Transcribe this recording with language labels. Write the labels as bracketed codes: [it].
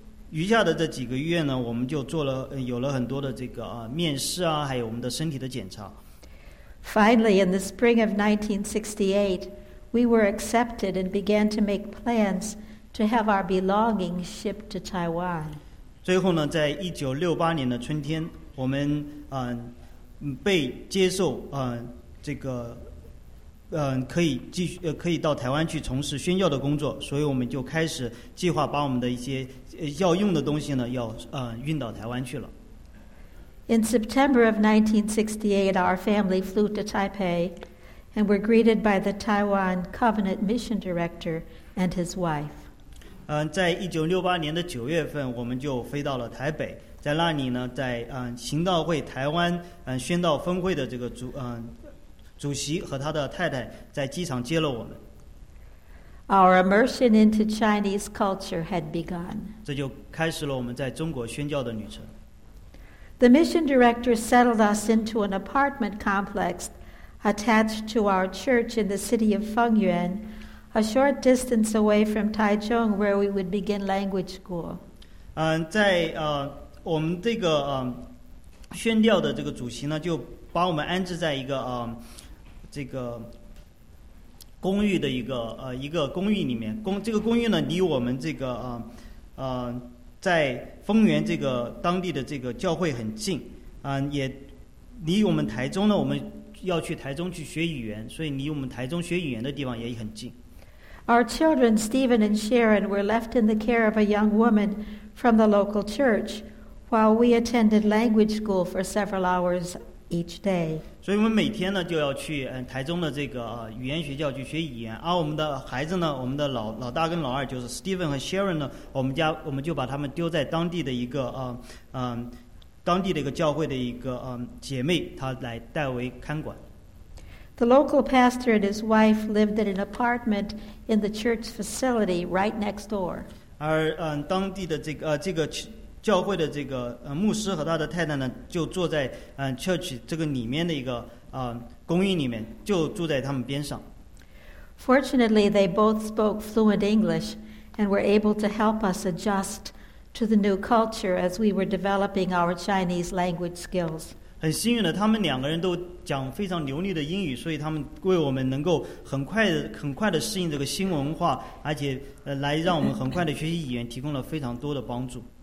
[zh] 余下的这几个月呢，我们就做了有了很多的这个面试啊，还有我们的身体的检查。 [en] Finally, in the spring of 1968, we were accepted and began to make plans to have our belongings shipped to Taiwan. [zh] 最后呢，在1968年的春天，我们被接受这个可以继续可以到台湾去从事宣教的工作，所以我们就开始计划把我们的一些要用的东西呢要运到台湾去了。 [en] In September of 1968, our family flew to Taipei and were greeted by the Taiwan Covenant Mission Director and his wife. [zh] 在1968年的9月份，我们就飞到了台北，在那里呢，在行道会台湾宣道分会的这个主席和他的太太在机场接了我们。 [en] Our immersion into Chinese culture had begun. [zh] 这就开始了我们在中国宣教的旅程。 [en] The mission director settled us into an apartment complex attached to our church in the city of Fengyuan, a short distance away from Taichung, where we would begin language school. [zh] 在我们这个宣教的这个主席呢，就把我们安置在一个这个公寓的一个公寓里面，这个公寓呢离我们这个在丰原这个当地的这个教会很近，也离我们台中呢，我们要去台中去学语言，所以离我们台中学语言的地方也很近。 [en] Our children Stephen and Sharon were left in the care of a young woman from the local church, while we attended language school for several hours each day. [zh] 所以我们每天呢就要去台中的这个语言学校去学语言，而我们的孩子呢，我们的老大跟老二就是 Stephen 和 Sharon 呢，我们就把他们丢在当地的一个当地的一个教会的一个姐妹，她来代为看管。 [en] The local pastor and his wife lived in an apartment in the church facility right next door. [zh] 而当地的这个教会的这个牧师和他的太太呢，就坐在church这个里面的一个公寓里面，就住在他们边上。 [en] Fortunately, they both spoke fluent English and were able to help us adjust to the new culture as we were developing our Chinese language skills. [zh] 很幸运的，他们两个人都讲非常流利的英语，所以他们为我们能够很快的适应这个新文化，而且来让我们很快的学习语言提供了非常多的帮助。